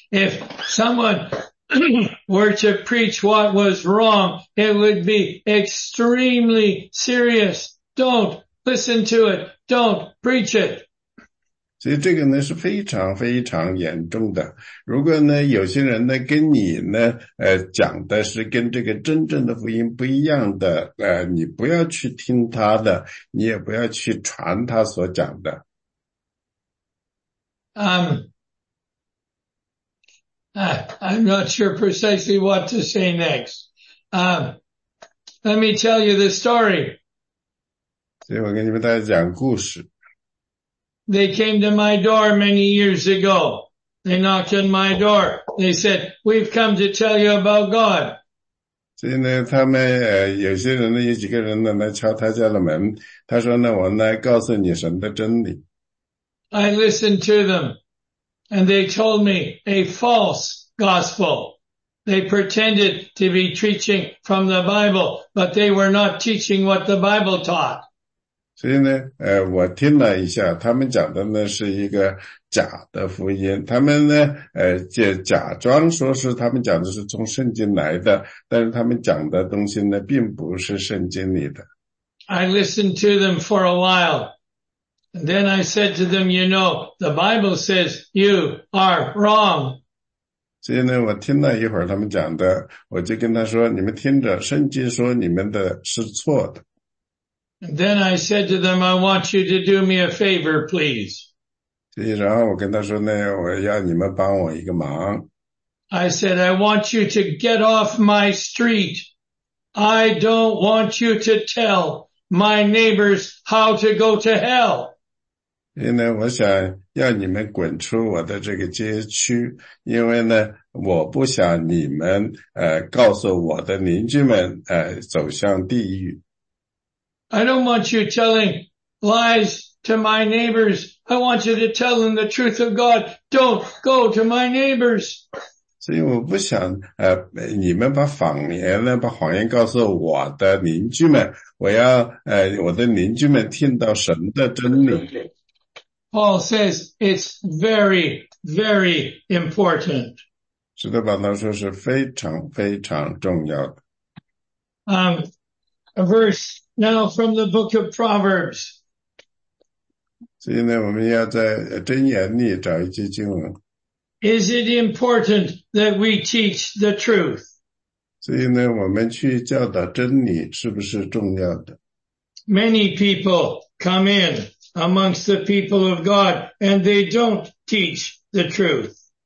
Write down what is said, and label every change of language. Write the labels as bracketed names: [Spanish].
[English] If someone were to preach what was wrong, it would be extremely serious. Don't listen to it. Don't preach it. [Chinese] 所以这个呢是非常非常严重的。如果呢有些人呢跟你呢讲的是跟这个真正的福音不一样的，你不要去听他的，你也不要去传他所讲的。 [English] I'm not sure precisely what to say next. Let me tell you the story. [Chinese] 所以我给你们大家讲故事。 [English] They came to my door many years ago. They knocked on my door. They said, we've come to tell you about God. [Chinese] 所以呢他们有些人呢有几个人呢来敲他家的门。他说呢我来告诉你神的真理。 [English] I listened to them. And they told me a false gospel. They pretended to be teaching from the Bible, but they were not teaching what the Bible taught. [Chinese] 所以呢，我听了一下，他们讲的呢是一个假的福音。他们呢，就假装说是他们讲的是从圣经来的，但是他们讲的东西呢，并不是圣经里的。 [English] I listened to them for a while. And then I said to them, you know, the Bible says you are wrong. [Chinese] 所以呢，我听了一会儿他们讲的，我就跟他说，你们听着，圣经说你们的是错的。 [English] And then I said to them, I want you to do me a favor, please. [Chinese] 所以然后我跟他说呢，我要你们帮我一个忙。 [English] I said, I want you to get off my street. I don't want you to tell my neighbors how to go to hell. [Chinese] 因为呢，我想要你们滚出我的这个街区，因为呢，我不想你们告诉我的邻居们走向地狱。 [English] I don't want you telling lies to my neighbors. I want you to tell them the truth of God. Don't go to my neighbors. [Chinese] 所以我不想你们把谎言呢，把谎言告诉我的邻居们。我要我的邻居们听到神的真理。 [English] Paul says it's very, very important. [Chinese] 使徒保罗说是非常非常重要的。 [English] A verse now from the book of Proverbs. [Chinese] 所以呢，我们要在箴言里找一句经文。 [English] Is it important that we teach the truth? [Chinese] 所以呢，我们去教导真理是不是重要的？ [English] Many people come in amongst the people of God and they don't teach the truth.